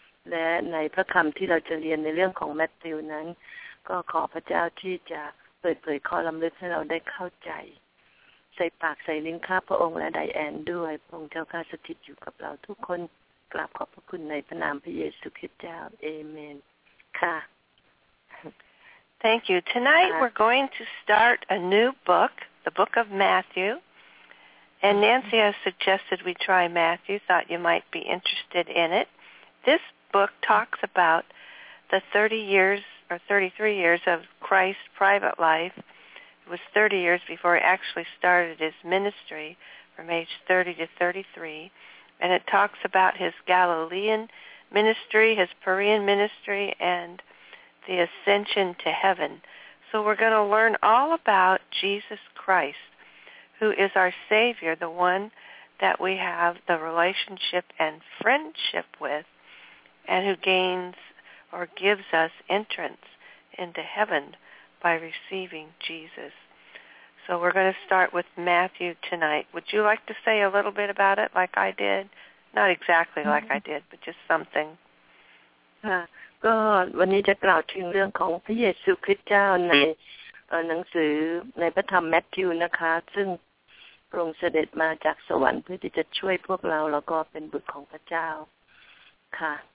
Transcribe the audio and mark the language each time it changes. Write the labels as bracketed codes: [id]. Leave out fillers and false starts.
[th] และในพระคัมภีร์ที่เราจะเรียนในเรื่องของแมทธิวนั้นก็ขอพระเจ้าที่จะเปิดเผยข้อล้ำลึกให้เราได้เข้าใจใส่ปากใส่ลิ้นข้าพระองค์และไดแอนด้วยพระองค์เจ้าค่ะสถิตอยู่กับเราทุกคนกราบขอบพระคุณในพระนามพระเยซูคริสต์เจ้าเอเมนค่ะ [en] Thank you. Tonight we're going to start a new book, the book of Matthew. And Nancy has suggested we try Matthew, thought you might be interested in it. This book talks about the 30 years or 33 years of Christ's private life. It was 30 years before he actually started his ministry from age 30 to 33. And it talks about his Galilean ministry, his Perean ministry, and the ascension to heaven. So we're going to learn all about Jesus Christ, who is our Savior, the one that we have the relationship and friendship with, and who gains or gives us entrance into heaven by receiving Jesus. So we're going to start with Matthew tonight. Would you like to say a little bit about it like I did? Not exactly like I did, but just something. [th] ก็วันนี้จะกล่าวถึงเรื่องของพระเยซูคริสต์เจ้าในหนังสือในพระธรรมแมทธิวนะคะซึ่งพระองค์เสด็จมาจากสวรรค์เพื่อที่จะช่วยพวกเราแล้วก็เป็นบุตรของพระเจ้าค่ะ